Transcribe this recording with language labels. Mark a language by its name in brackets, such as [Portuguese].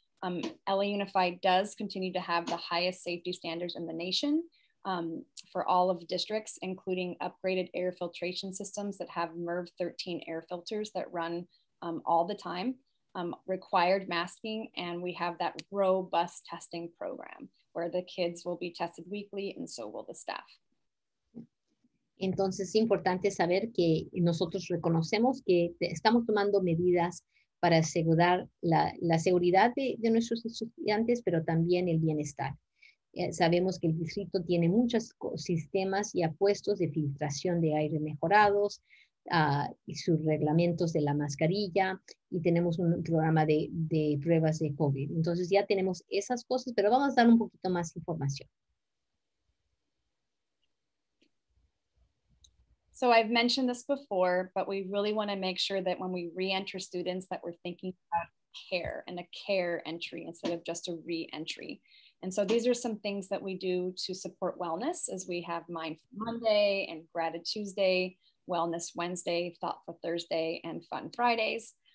[English] LA Unified does continue to have the highest safety standards in the nation for all of districts, including upgraded air filtration systems that have MERV 13 air filters that run all the time. Required masking, and we have that robust testing program where the kids will be tested weekly and so will the staff. [Spanish] Entonces es importante saber que nosotros reconocemos que estamos tomando medidas para asegurar la seguridad de nuestros estudiantes, pero también el bienestar. Sabemos que el distrito tiene muchos sistemas ya puestos de filtración de aire mejorados, y sus reglamentos de la mascarilla, y tenemos un programa de pruebas de COVID. Entonces ya tenemos esas cosas, pero vamos a dar un poquito más información. [English] So I've mentioned this before, but we really want to make sure that when we re-enter students that we're thinking about care and a care entry instead of just a re-entry. And so these are some things that we do to support wellness, as we have Mindful Monday and Gratitude Tuesday, Wellness Wednesday, Thoughtful Thursday, and Fun Fridays.